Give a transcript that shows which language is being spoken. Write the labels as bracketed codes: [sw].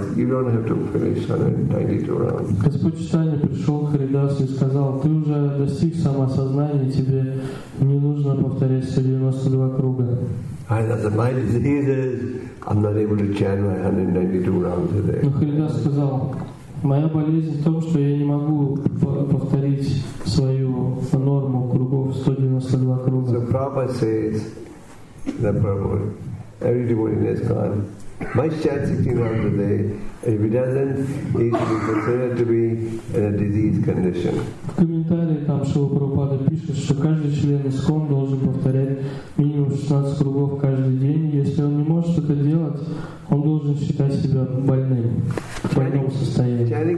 [ru] Господь Читане пришел к Харидасу и сказал: ты уже достиг самосознания, тебе не нужно повторять 192 круга. Но Харидас сказал: моя болезнь в том, что я не могу повторить свою норму кругов 192 круга. [en] So Prabhupada says, the Prabhupada, every devotee in ISKCON must chant 16 rounds a day. If he doesn't, he should be considered to be in a diseased condition. [ru] В комментарии там там Шрила Прабхупада пишет, что каждый член ИСККОН должен повторять минимум 16 кругов каждый день. Если он не может это делать, он должен считать себя больным, в больном состоянии.